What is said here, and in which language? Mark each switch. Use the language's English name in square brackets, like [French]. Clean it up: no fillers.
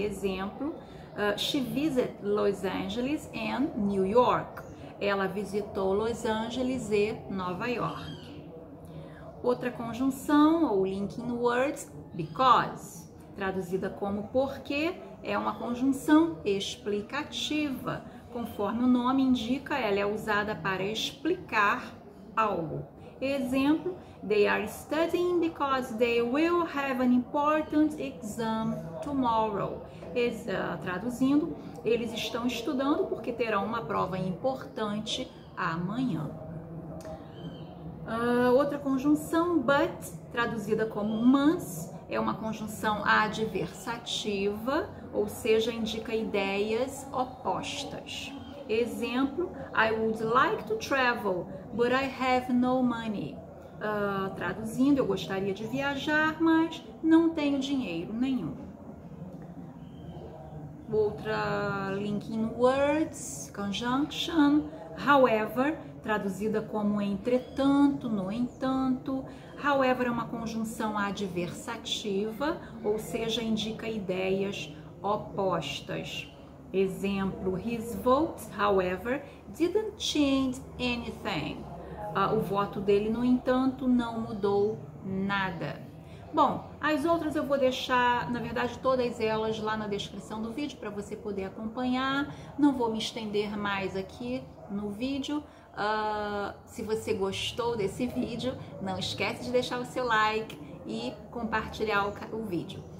[Portuguese] Exemplo, [English] she visited Los Angeles and New York. [Portuguese] Ela visitou Los Angeles e Nova York. Outra conjunção, ou linking words, because, traduzida como porque, é uma conjunção explicativa. Conforme o nome indica, ela é usada para explicar algo. Exemplo, [English] they are studying because they will have an important exam tomorrow. [Portuguese] Traduzindo, eles estão estudando porque terão uma prova importante amanhã. Outra conjunção, but, traduzida como mas, é uma conjunção adversativa, ou seja, indica ideias opostas. Exemplo, [English] I would like to travel, but I have no money. [Portuguese] Traduzindo, eu gostaria de viajar, mas não tenho dinheiro nenhum. Outra linking words, conjunction, however, traduzida como entretanto, no entanto. However é uma conjunção adversativa, ou seja, indica ideias opostas. Exemplo, [English] his vote, however, didn't change anything. [Portuguese] O voto dele, no entanto, não mudou nada. Bom, as outras eu vou deixar, na verdade, todas elas lá na descrição do vídeo para você poder acompanhar. Não vou me estender mais aqui no vídeo. Se você gostou desse vídeo, não esquece de deixar o seu like e compartilhar o vídeo.